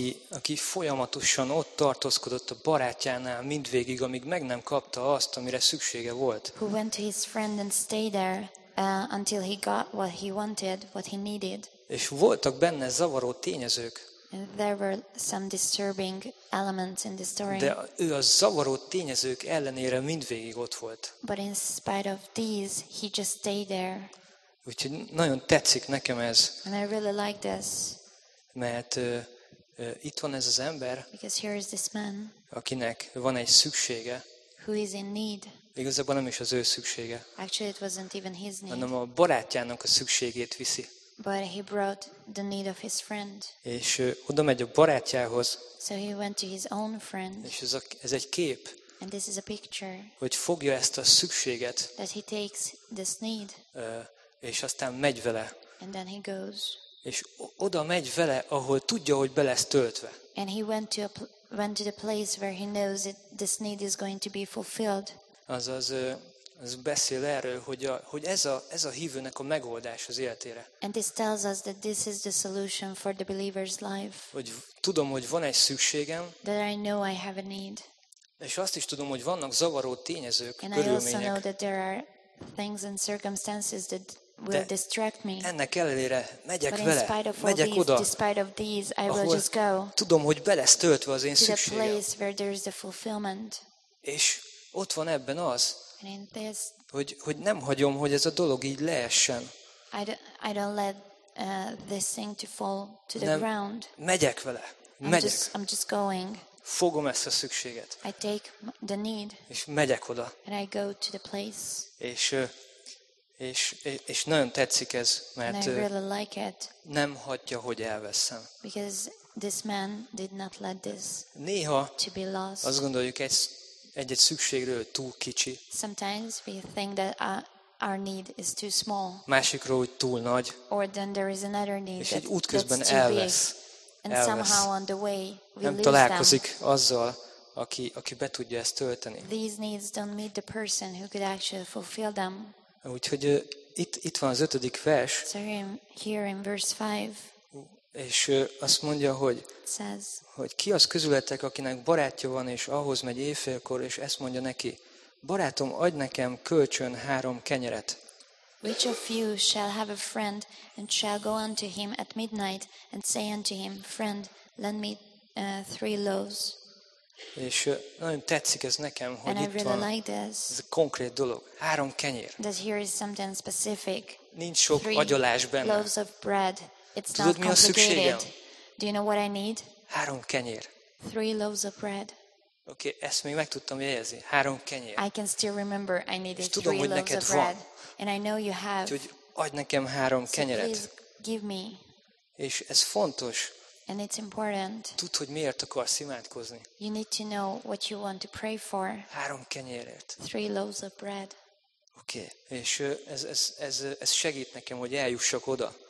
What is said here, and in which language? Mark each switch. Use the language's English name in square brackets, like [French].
[Hungarian] Aki folyamatosan ott tartózkodott a barátjánál mindvégig, amíg meg nem kapta azt, amire szüksége volt. [English] Who went to his friend and stayed there until he got what he wanted, what he needed. [Hungarian] És voltak benne zavaró tényezők. [English] And there were some disturbing elements in the story. [Hungarian] De ő a zavaró tényezők ellenére mindvégig ott volt. [English] But in spite of these, he just stayed there. [Hungarian] Úgyhogy nagyon tetszik nekem ez. [English] And I really like this. [Hungarian] Mert itt van ez az ember, akinek van egy szüksége. [English] Who is in need. [Hungarian] Igazából nem is az ő szüksége. [English] Actually, it wasn't even his need. [Hungarian] Hanem a barátjának a szükségét viszi. [English] But he brought the need of his friend. [Hungarian] És oda megy a barátjához. [English] So he went to his own friend. [Hungarian] És ez egy kép. [English] And this is a picture. [Hungarian] Hogy fogja ezt a szükséget. [English] That he takes this need. [Hungarian] És aztán megy vele. [English] And then he goes. [Hungarian] És oda megy vele, ahol tudja, hogy be lesz töltve. [English] And he went to the place where he knows that this need is going to be fulfilled. [Hungarian] Azaz, ez beszél erről, hogy ez a hívőnek a megoldás az életére. [English] And this tells us that this is the solution for the believer's life. [Hungarian] Hogy tudom, hogy van egy szükségem. [English] That I know I have a need. [Hungarian] És azt is tudom, hogy vannak zavaró tényezők, [English] and [Hungarian] körülmények. [English] And I also know that there are things and circumstances that will distract me. [Hungarian] Ennek ellenére megyek [English] but [Hungarian] vele, megyek [English] these, [Hungarian] oda, [English] despite of these, I will [Hungarian] ahol [English] just go [Hungarian] tudom, hogy be lesz töltve az én szükségem. [English] To the place where there is the fulfillment. [Hungarian] És ott van ebben az, [English] this, [Hungarian] hogy nem hagyom, hogy ez a dolog így leessen. [English] I don't let this thing to fall to the ground. [Hungarian] Megyek vele, megyek. [English] I'm just going. [Hungarian] Fogom ezt a szükséget. [English] I take the need. [Hungarian] És megyek oda. [English] And I go to the place. [Hungarian] És nagyon tetszik ez, mert nem hagyja, hogy elvesszem. [English] Because this man did not let this [Hungarian] néha [English] to be lost. [Hungarian] Azt gondoljuk, egy-egy szükségről túl kicsi. [English] Sometimes we think that our need is too small. [Hungarian] Másikról, hogy túl nagy. [English] Or then there is another need. [Hungarian] És egy útközben elvesz. [English] And somehow on the way we [Hungarian] nem [English] lose [Hungarian] találkozik [English] them. [Hungarian] Azzal, aki be tudja ezt tölteni. [English] These needs don't meet the person who could actually fulfill them. [Hungarian] Úgyhogy itt van az 5. vers. [English] So here in verse 5. [Hungarian] És azt mondja, hogy [English] says, [Hungarian] hogy ki az közületek, akinek barátja van, és ahhoz megy éjfélkor, és ezt mondja neki, Barátom, adj nekem kölcsön három kenyeret. [English] Which of you shall have a friend and shall go unto him at midnight and say unto him, friend, lend me three loaves? [Hungarian] És nagyon tetszik ez nekem, hogy itt van. Ez a konkrét dolog. Három kenyér. [English] That here is something specific. [Hungarian] Nincs sok agyalás benne. [English] Loaves of bread. It's not complicated. [Hungarian] Tudod, mi a szükségem? [English] Do you know what I need? [Hungarian] Három kenyér. [English] Three loaves of bread. [Hungarian] Oké, ezt még meg tudtam jegyezni. Három kenyér. [English] I can still remember I needed three loaves of bread. [Hungarian] És tudom, hogy neked van. [English] And I know you have. [Hungarian] Úgyhogy adj nekem három kenyeret. [English] So please give me. [Hungarian] És ez fontos. [English] And it's important. [Hungarian] Tudd, hogy miért akarsz imádkozni. [English] You need to know what you want to pray for. [Hungarian] Három kenyérért. [English] Three loaves of bread. [Hungarian] Oké, és ez segít nekem, hogy eljussak oda.